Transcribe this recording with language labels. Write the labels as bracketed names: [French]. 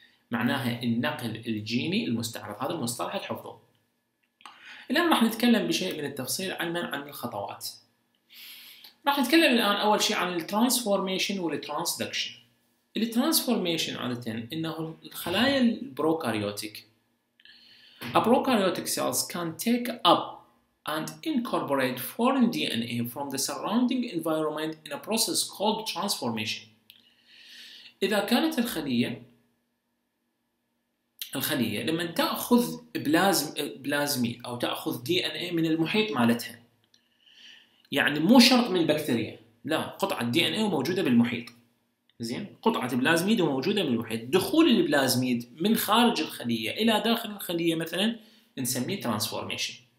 [Arabic] معناها النقل الجيني المستعرض، هذا المصطلح تحفظه. الان راح نتكلم بشيء من التفصيل علما عن الخطوات. راح نتكلم الان اول شيء عن الترانسفورميشن والترانسدكشن. الترانسفورميشن عادة انه الخلايا البروكاريوتيك. [English] A prokaryotic cells can take up and incorporate foreign DNA from the surrounding environment in a process called transformation. [Arabic] إذا كانت الخلية لما تأخذ بلازمي أو تأخذ DNA من المحيط مالتها، يعني مو شرط من البكتيريا، لا، قطعة DNA موجودة بالمحيط، زين، قطعة بلازميد موجودة من المحيط، دخول البلازميد من خارج الخلية إلى داخل الخلية مثلا نسميه ترانسفورميشن،